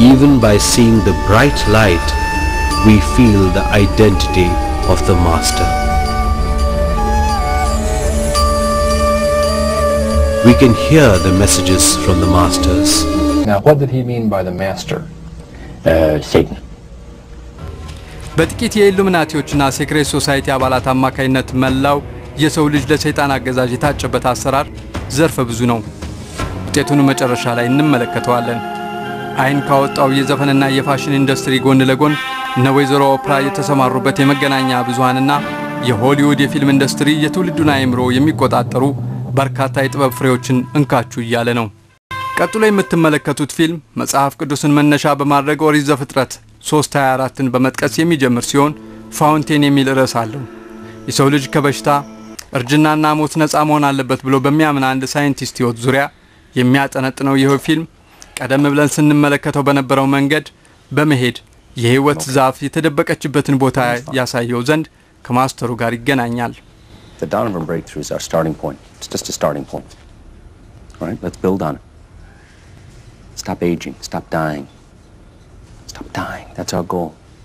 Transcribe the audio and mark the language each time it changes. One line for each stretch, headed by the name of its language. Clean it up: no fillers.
English: Even by seeing the bright light, we feel the identity of the master. We can hear the messages from the masters. Now, what did he mean by the master? Satan.
Amharic: በጥቂት የኢሉሚናቲዎችና ሴክሬት ሶሳይቲ አባላት አማካይነት መላው የሰው ልጅ ለሰይጣን አገዛዥ የታጨበት አሰራር ዘርፈ ብዙ ነው። ውጤቱን መጨረሻ ላይ እንመለከተዋለን። አይን ካወጣው የዘፈንና የፋሽን ኢንዱስትሪ ጎን ለጎን ነወይዘሮ ኦፕራ የተሰማሩበት የመገናኛ ብዙሃንና የሆሊውድ የፊልም ኢንዱስትሪ የትውልዱን አይምሮ የሚቆጣጠሩ በርካታ የጥበብ ፍሬዎችን እንካቹ እያለ ነው። ቀጥሎ የምትመለከቱት ፊልም መጽሐፍ ቅዱስን መነሻ በማድረግ ኦሪት ዘፍጥረት 3:24ን በመጥቀስ የሚጀምር ሲሆን ፋውንቴን የሚል ርዕስ አለው። የሰው ልጅ ከበሽታ እርጅናና ሞት ነጻ መሆን አለበት ብሎ በሚያምን አንድ ሳይንቲስት ህይወት ዙሪያ የሚያጠነጥነው ይህ ፊልም ቀደም ብለን ስንመለከተው በነበረው መንገድ በመሄድ የህይወት ዛፍ የተደበቀችበትን ቦታ ያሳየው ዘንድ ከማስተሩ ጋር ይገናኛል።
English: The Donovan breakthrough is our starting point. It's just a starting point. All right, let's build on it. Stop aging, stop dying. Stop dying. That's our goal.